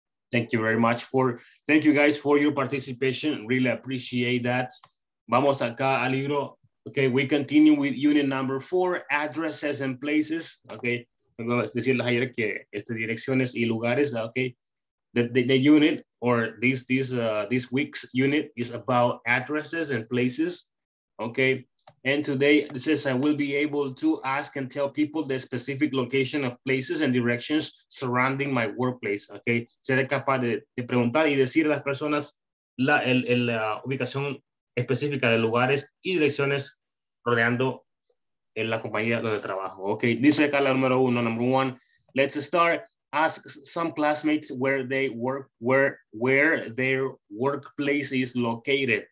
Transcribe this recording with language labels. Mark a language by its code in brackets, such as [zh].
[en] Thank you very much for, thank you guys for your participation. Really appreciate that. Vamos acá al libro. Okay, we continue with unit number 4, addresses and places. [es] Okay, vamos a decirles ayer que este direcciones y lugares, okay. [en] The unit or this week's unit is about addresses and places. Okay. And today this is I will be able to ask and tell people the specific location of places and directions surrounding my workplace. Okay. [es] Seré capaz de preguntar y decir a las personas la ubicación específica de lugares y direcciones rodeando en la compañía donde trabajo. Okay. Dice acá la número uno, number one. Let's start. [en] Ask some classmates where they work, where their workplace is located.